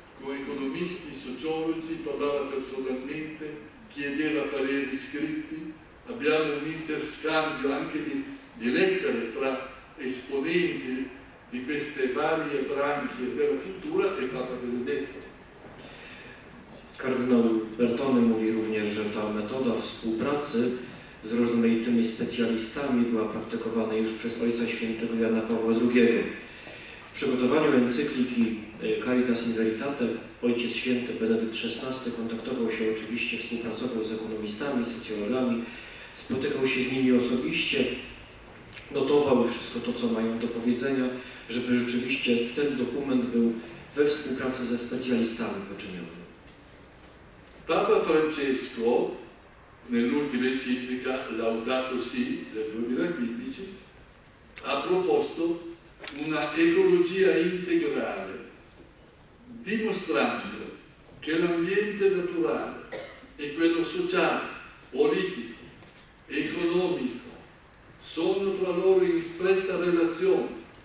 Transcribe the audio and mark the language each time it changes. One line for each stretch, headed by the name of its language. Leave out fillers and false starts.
Italian: con economisti, sociologi, parlava personalmente, chiedeva pareri scritti, abbiamo un interscambio anche di lettere tra esponenti di queste varie branche della cultura e Papa Benedetto.
Polish: Kardynał Bertone mówi również, że ta metoda współpracy z rozmaitymi specjalistami była praktykowana już przez Ojca Świętego Jana Pawła II. W przygotowaniu encykliki Caritas in Veritate Ojciec Święty Benedykt XVI kontaktował się oczywiście, współpracował z ekonomistami, socjologami, spotykał się z nimi osobiście, notował wszystko to, co mają do powiedzenia, żeby rzeczywiście ten dokument był we współpracy ze specjalistami poczyniony.
Italian: Papa Francesco, nell'ultima enciclica Laudato Si del 2015, ha proposto una ecologia integrale, dimostrando che l'ambiente naturale e quello sociale, politico, economico sono tra loro in stretta relazione